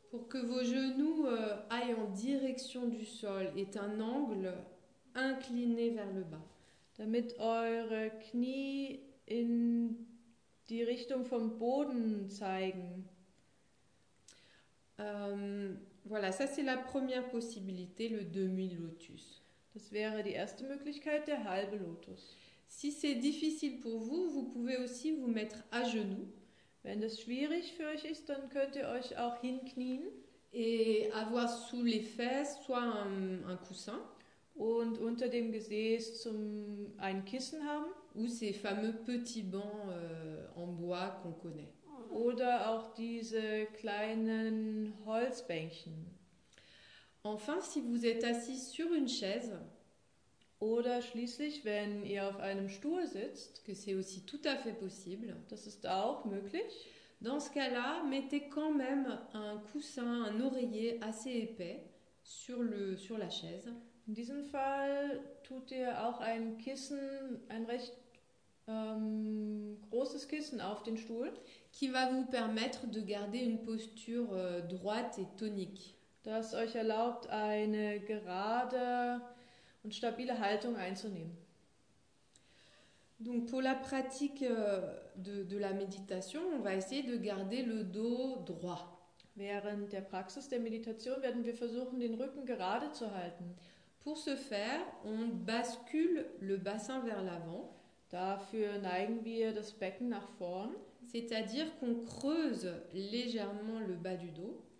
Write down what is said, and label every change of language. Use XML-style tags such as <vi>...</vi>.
<fr>pour que vos genoux aillent en direction du sol et un angle incliné vers le bas.</fr> <de>Damit eure Knie in die Richtung vom Boden zeigen.</de> <fr>Voilà, ça c'est la première possibilité, le demi-lotus.</fr> <de>Das wäre die erste Möglichkeit, der halbe Lotus.</de> <fr>Si c'est difficile pour vous, vous pouvez aussi vous mettre à genoux.</fr> <de>Wenn das schwierig für euch ist, dann könnt ihr euch auch hinknien.</de> <fr>Et avoir sous les fesses soit un coussin.</fr> <de>Und unter dem Gesäß zum ein Kissen haben.</de> <fr>Ou ces fameux petits bancs en bois qu'on connaît.</fr> <de>Oder auch diese kleinen Holzbänkchen.</de> <fr>Enfin, si vous êtes assis sur une chaise,</fr> <de>oder schließlich, wenn ihr auf einem Stuhl sitzt,</de> <fr>que c'est aussi tout à fait possible,</fr> <de>das ist auch möglich,</de> <fr>dans ce cas-là, mettez quand même un coussin, un oreiller assez épais sur la chaise.</fr> <de>In diesem Fall tut ihr auch ein Kissen, ein recht großes Kissen auf den Stuhl,</de> <fr>qui va vous permettre de garder une posture droite et tonique.</fr> <de>Das euch erlaubt, eine gerade und stabile Haltung einzunehmen.</de> <fr>Donc pour la pratique de la méditation, on va essayer de garder le dos droit.</fr> <de>Während der Praxis der Meditation werden wir versuchen, den Rücken gerade zu halten.</de> <fr>Pour ce faire, on bascule le bassin vers l'avant.</fr> <de>Dafür neigen wir das Becken nach vorn.</de> <fr>C'est-à-dire qu'on creuse légèrement le bas du dos.</fr>